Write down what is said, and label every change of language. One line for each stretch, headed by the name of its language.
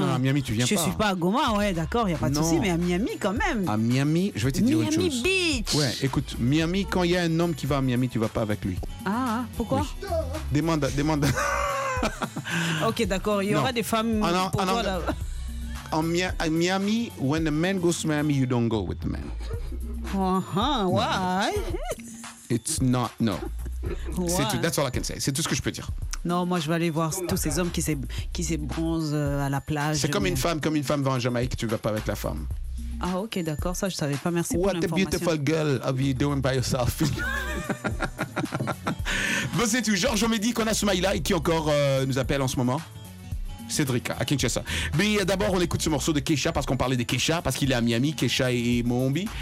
French: Non, à Miami tu viens je pas. Je suis pas à Goma, ouais, d'accord, il n'y a pas de souci, mais à Miami quand même. À Miami, je vais te dire Miami autre chose. Miami Beach. Ouais, écoute, Miami, quand il y a un homme qui va à Miami, tu vas pas avec lui. Ah, pourquoi? Oui. Demande. Ok, d'accord, il y aura des femmes pour toi là.
English: À Miami, when a man goes to Miami, you don't go with the man. Why? It's not, no.
French: C'est tout.
English: That's all I can say.
French: C'est tout ce que je peux dire. Non, moi je vais aller voir tous ces hommes qui se bronzent à la plage. C'est comme une femme va en Jamaïque, tu vas pas avec la femme. Ah ok, d'accord, ça je savais pas. Merci
English: What
French: pour l'information.
English: What a beautiful girl have you doing by yourself?
French: Bon, c'est tout. Georges Omedi qu'on a Soumaïla et qui encore nous appelle en ce moment. Cédric à Kinshasa. Mais d'abord on écoute ce morceau de Kesha parce qu'on parlait de Kesha parce qu'il est à Miami, Kesha et Mohombi.